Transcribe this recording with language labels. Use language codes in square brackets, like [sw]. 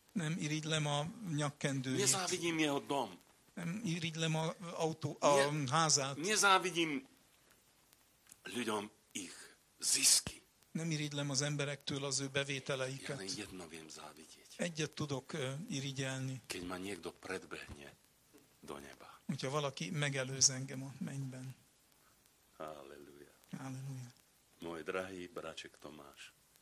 [hu] Nem irigylem a nyakkendőjét. [sk] Nezávidím jeho dom. [hu] Nem irigylem a házát. [sk] Nezávidím ľuďom ich zisky. [hu] Nem irigylem az emberektől az ő bevételeiket. [sk] Ja jedno viem závidieť. [hu] Egyet tudok irigyelni. [sk] Keď ma niekto predbehne do neba. [hu] Hogyha valaki megelőz engem a mennyben. Halleluja. Halleluja. [sk] Môj drahý braček Tomáš.